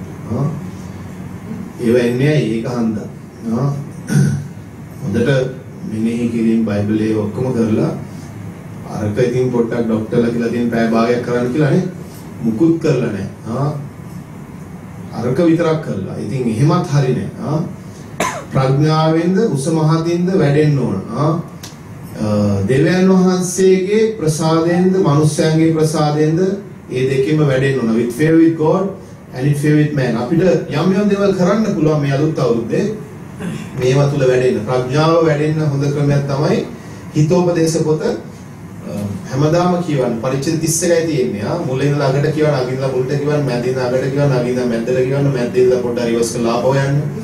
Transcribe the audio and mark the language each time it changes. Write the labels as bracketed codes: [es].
[si] හා එවන්නේ ඒක හන්දා. හා හොඳට මෙනෙහි කිරීම, බයිබලයේ ඔක්කොම කරලා අරක ඉතින් පොට්ටක් ડોක්ටර්ලා කියලා දෙන පැය භාගයක් කරන්න කියලා නේ මුකුත් කරලා නැහැ. හා අරක විතරක් කරලා. ඉතින් එහෙමත් හරිනේ. හා ප්‍රඥාවෙන්ද උස මහතින්ද වැඩෙන්න ඕන. හා දෙවියන් වහන්සේගේ ප්‍රසාදයෙන්ද මනුස්සයන්ගේ ප්‍රසාදයෙන්ද ඒ දෙකෙම වැඩෙන්න ඕන. [en] With favor with God and in favor with man. [si] අපිට යම් යම් දේවල් කරන්න පුළුවන් මේ අලුත් අවුරුද්දේ. මේවා තුල වැඩෙන්න ප්‍රඥාව වැඩෙන්න හොඳ ක්‍රමයක් තමයි හිතෝපදේශ පොත හැමදාම කියවන්නේ. පරිච්ඡේද 31යි තියෙන්නේ. ආ මුලින් ළඟට කියවන, අගින් ළඟ මුලට කියවන, මැදින් ළඟට කියවන, අගින් ළඟ මැද්දට කියවන, මැද්දින් ළඟ පොඩ්ඩ රිවර්ස් කරලා ආපහු යන්න.